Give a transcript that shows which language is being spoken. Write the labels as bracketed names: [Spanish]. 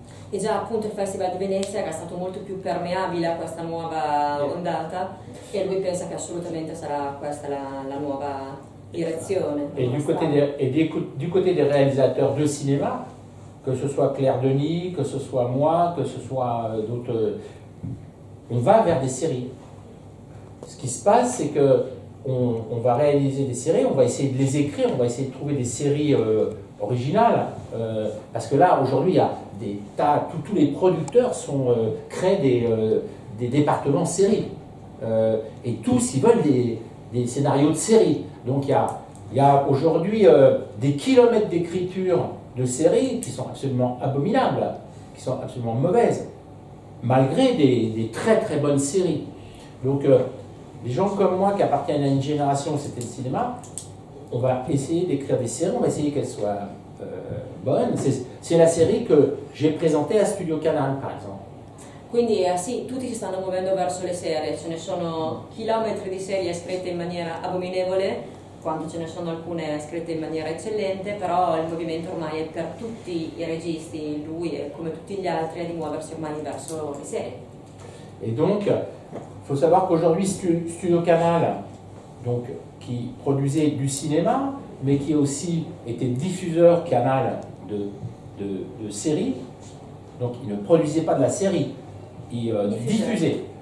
[Italian] E già appunto il Festival di Venezia era stato molto più permeabile a questa nuova ondata e lui pensa che assolutamente sarà questa la nuova direzione. [French] E du côté des réalisateurs de cinéma, que ce soit Claire Denis, que ce soit moi, que ce soit d'autres, on va vers des séries. Ce qui se passe, c'est que on va réaliser des séries, on va essayer de les écrire, on va essayer de trouver des séries originales, parce que là, aujourd'hui, il y a des tas, tous les producteurs créent des départements séries. Et tous, ils veulent des scénarios de séries. Donc, il y a aujourd'hui des kilomètres d'écriture de séries qui sont absolument abominables, qui sont absolument mauvaises, malgré des très très bonnes séries. Donc, les gens comme moi qui appartiennent à une génération, c'était le cinéma, on va essayer d'écrire des séries, on va essayer qu'elles soient bonnes. C'est la série que j'ai présentée à Studio Canal, par exemple. [Italian] Quindi sì, tutti si stanno muovendo verso le serie, ce ne sono chilometri di serie scritte in maniera abominevole, quanto ce ne sono alcune scritte in maniera eccellente, però il movimento ormai è per tutti i registi, lui e come tutti gli altri, è di muoversi ormai verso le serie. [French] E donc, faut savoir qu'aujourd'hui Studio Canal donc, qui produisait du cinéma, mais qui aussi était diffuseur Canal de séries. Donc il ne produisait pas de la série, il diffusait.